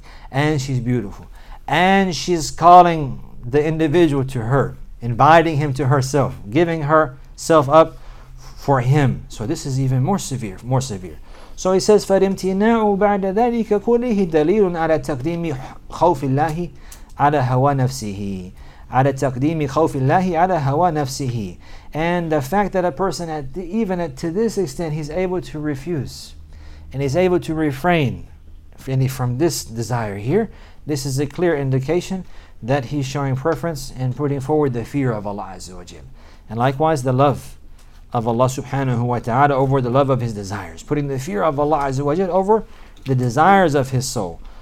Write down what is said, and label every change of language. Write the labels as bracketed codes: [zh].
[en] And she's beautiful. And she's calling the individual to her inviting him to herself, giving herself up for him. So this is even more severe, more severe. [ar] So he says, فَالِمْتِنَاعُ بَعْدَ ذَلِكَ كُلِهِ دَلِيلٌ عَلَى تَقْدِيمِ خَوْفِ اللَّهِ عَلَى هَوَى نَفْسِهِ عَلَى تَقْدِيمِ خَوْفِ اللَّهِ عَلَى هَوَى نَفْسِهِ. [en] And the fact that a person, to this extent, he's able to refuse and he's able to refrain from this desire here, this is a clear indication that he's showing preference and putting forward the fear of Allah Azza wa Jal. And likewise, the love of Allah subhanahu wa ta'ala over the love of his desires, putting the fear of Allah Azza wa Jal over the desires of his soul.